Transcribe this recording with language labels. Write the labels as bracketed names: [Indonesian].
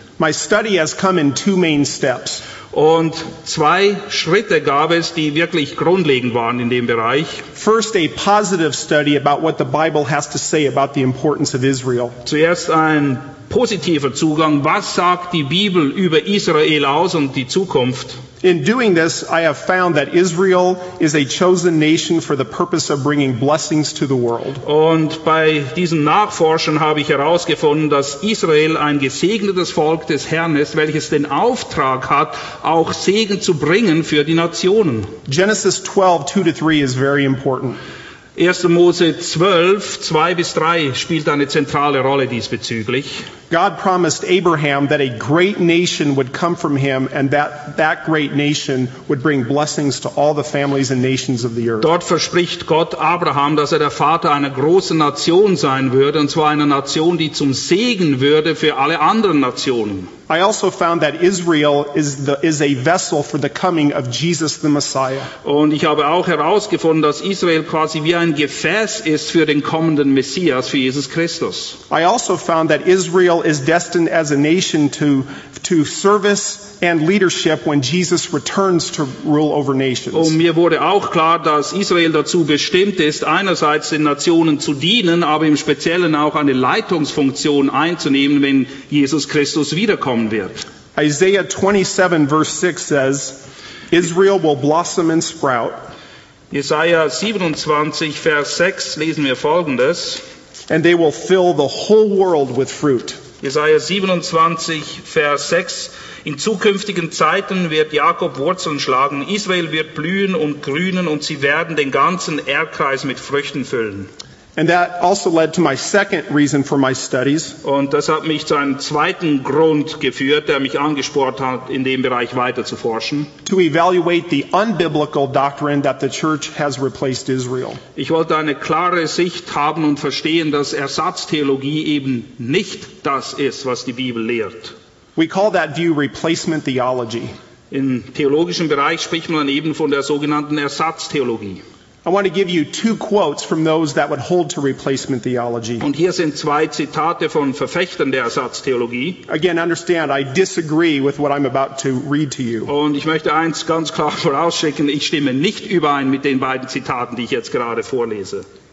[English] My study has come in two main steps. [German] Und zwei Schritte gab es, die wirklich grundlegend waren in dem Bereich. [English] First, a positive study about what the Bible has to say about the importance of Israel. [German] Zuerst ein positiver Zugang. Was sagt die Bibel über Israel aus und die Zukunft? [English] In doing this, I have found that Israel is a chosen nation for the purpose of bringing blessings to the world. [German] Und bei diesem Nachforschen habe ich herausgefunden, dass Israel ein gesegnetes Volk des Herrn ist, welches den Auftrag hat, auch Segen zu bringen für die Nationen. [English] Genesis 12:2-3 is very important. [German] 1. Mose 12, 2 bis 3 spielt eine zentrale Rolle diesbezüglich. [English] God promised Abraham that a great nation would come from him and that great nation would bring blessings to all the families and nations of the earth. [German] Dort verspricht Gott Abraham, dass der Vater einer großen Nation sein würde, und zwar einer Nation, die zum Segen würde für alle anderen Nationen. [English] I also found that Israel is a vessel for the coming of Jesus the Messiah. [German] Und ich habe auch herausgefunden, dass Israel quasi wie ein Gefäß ist für den kommenden Messias, für Jesus Christus. [English] I also found that Israel is destined as a nation to service and leadership when Jesus returns to rule over nations. [German] Und mir wurde auch klar, dass Israel dazu bestimmt ist, einerseits den Nationen zu dienen, aber im Speziellen auch eine Leitungsfunktion einzunehmen, wenn Jesus Christus wiederkommen wird. [English] Isaiah 27, verse 6 says, Israel will blossom and sprout. [German] Jesaja 27, Vers 6 lesen wir folgendes. [English] And they will fill the whole world with fruit. [German] Jesaja 27, Vers 6. In zukünftigen Zeiten wird Jakob Wurzeln schlagen. Israel wird blühen und grünen und sie werden den ganzen Erdkreis mit Früchten füllen. [English] And that also led to my second reason for my studies. [German] Und das hat mich zu einem zweiten Grund geführt, der mich angespornt hat, in dem Bereich weiter zu forschen. [English] To evaluate the unbiblical doctrine that the church has replaced Israel. [German] Ich wollte eine klare Sicht haben und verstehen, dass Ersatztheologie eben nicht das ist, was die Bibel lehrt. [English] We call that view replacement theology. [German] Im theologischen Bereich spricht man eben von der sogenannten Ersatztheologie. [English] I want to give you two quotes from those that would hold to replacement theology. [German] Und hier sind zwei Zitate von Verfechtern der Ersatztheologie. [English] Again, understand, I disagree with what I'm about to read to you. [German] Und ich möchte eins ganz klar vorausschicken, ich stimme nicht überein mit den beiden Zitaten, die ich jetzt gerade vorlese.